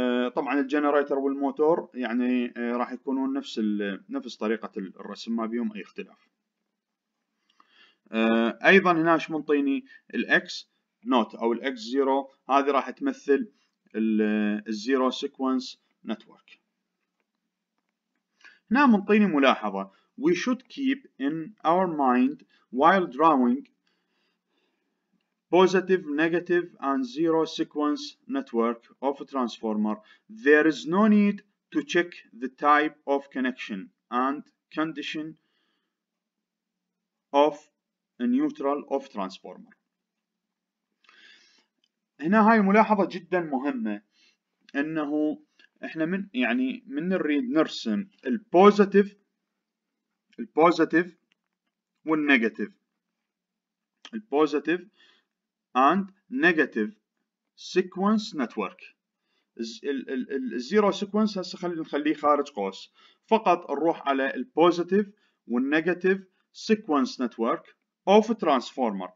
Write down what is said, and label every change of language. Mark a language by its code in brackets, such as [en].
[ar] طبعا الجنريتر والموتور يعني راح يكونون نفس طريقة الرسم، ما بيهم اي اختلاف. ايضا هنا ايش منطيني؟ الاكس نوت او الاكس زيرو، هذه راح تمثل الزيرو سيكونس نتورك. هنا منطيني ملاحظة: [en] we should keep in our mind while drawing positive, negative, and zero sequence network of a transformer, there is no need to check the type of connection and condition of a neutral of transformer. [ar] هنا هاي ملاحظة جدا مهمة، انه احنا من نريد نرسم البوزيتيف والنيجاتيف، البوزيتيف [en] and negative sequence network، [ar] الزيرو سيكونس هسه خليه خارج قوس، فقط نروح على البوزيتيف والنيجاتيف سيكونس نتورك اوف ترانسفورمر.